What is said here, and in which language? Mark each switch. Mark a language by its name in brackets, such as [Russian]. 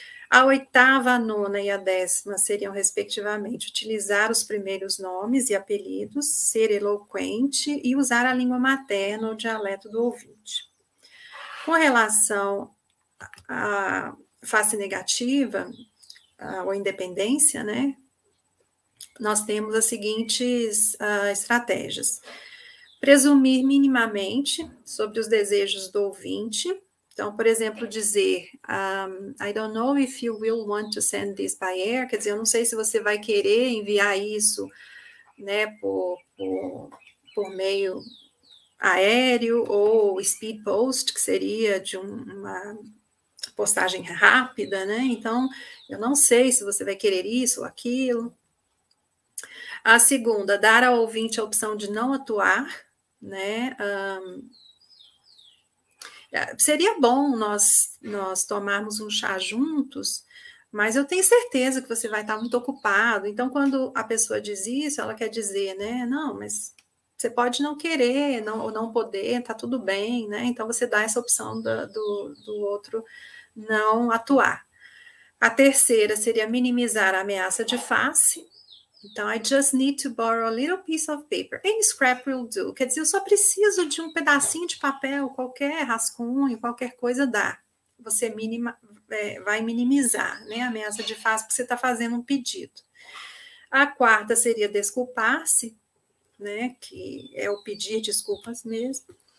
[Portuguese] A oitava, a nona e a décima seriam, respectivamente, utilizar os primeiros nomes e apelidos, ser eloquente e usar a língua materna ou dialeto do ouvinte. Com relação à face negativa, ou independência, né? nós temos as seguintes estratégias. Presumir minimamente sobre os desejos do ouvinte. Então, por exemplo, dizer, [English] I don't know if you will want to send this by air. [Portuguese] Quer dizer, eu não sei se você vai querer enviar isso, né, por meio aéreo ou speed post, que seria de uma postagem rápida, né? Então, eu não sei se você vai querer isso ou aquilo. A segunda, dar ao ouvinte a opção de não atuar, né? Seria bom nós tomarmos um chá juntos, mas eu tenho certeza que você vai estar muito ocupado. Então, quando a pessoa diz isso, ela quer dizer, né? Não, mas você pode não querer, não, ou não poder, tá tudo bem, né? Então você dá essa opção do outro não atuar. A terceira seria minimizar a ameaça de face. [English] Então, I just need to borrow a little piece of paper. Any scrap will do. [Portuguese] Quer dizer, eu só preciso de um pedacinho de papel, qualquer rascunho, qualquer coisa dá. Você vai minimizar, né, a ameaça de face, porque você está fazendo um pedido. A quarta seria desculpar-se, né, que é o pedir desculpas mesmo.